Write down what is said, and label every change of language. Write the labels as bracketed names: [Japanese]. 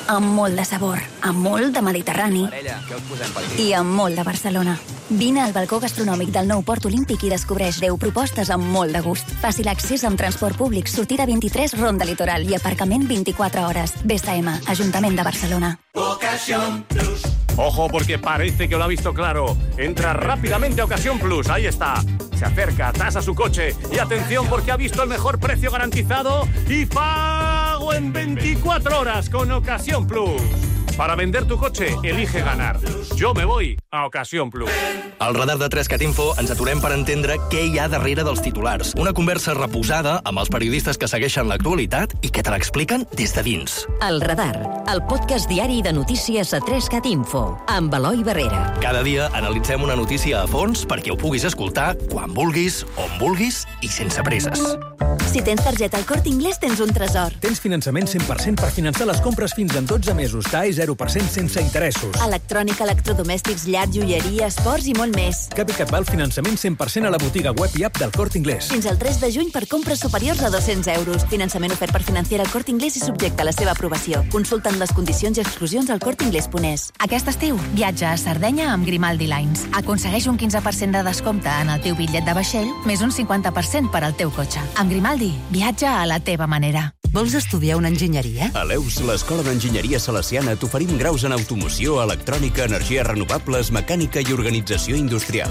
[Catalan] Amb molt de sabor, amb molt de Mediterrani. Parella, què us posem per aquí? I amb molt de Barcelona. Vine al balcó gastronòmic del nou Port Olímpic i descobreix 10 propostes amb molt de gust. Faci l'accés amb transport públic, sortida 23, Ronda Litoral i aparcament 24 hores. BSM, Ajuntament de Barcelona. Ocasión [Spanish] Plus. Ojo, porque parece que lo ha visto claro. Entra rápidamente a Ocasión Plus, ahí está. Se acerca, tasa su coche y atención porque ha visto el mejor precio garantizado y pago en 24 horas con Ocasión Plus. Para vender tu coche, elige ganar. Yo me voy a Ocasión Plus. [Catalan] Al radar de 3Cat Info ens aturem per entendre què hi ha darrere dels titulars. Una conversa reposada amb els periodistes que segueixen l'actualitat i que te l'expliquen des de dins. El radar, el podcast diari de notícies a 3Cat Info, amb Eloi Barrera. Cada dia analitzem una notícia a fons perquè ho puguis escoltar quan vulguis, on vulguis i sense presses. Si tens targeta al Corte Inglés, tens un tresor. Tens finançament 100% per finançar les compres fins en 12 mesos. TAE 0% sense interessos. Electrònica, electrodomèstics, llar, joieria, esports i molt més. Cap i cap val finançament 100% a la botiga web i app del Corte Inglés. Fins al 3 de juny per compres superiors a 200 euros. Finançament ofert per financiar el Corte Inglés i subjecte a la seva aprovació. Consulta'n les condicions i exclusions al Corte Inglés Ponés. Aquest estiu, viatja a Sardenya amb Grimaldi Lines. Aconsegueix un 15% de descompte en el teu bitllet de vaixell, més un 50% per al teu cotxe. Amb Grimaldi, viatja a la teva manera. Vols estudiar una enginyeria? A l'EUS, l'Escola d'Enginyeria Salesiana, t'oferim graus en automoció, electrònica, energies renovables, mecànica i organització industrial.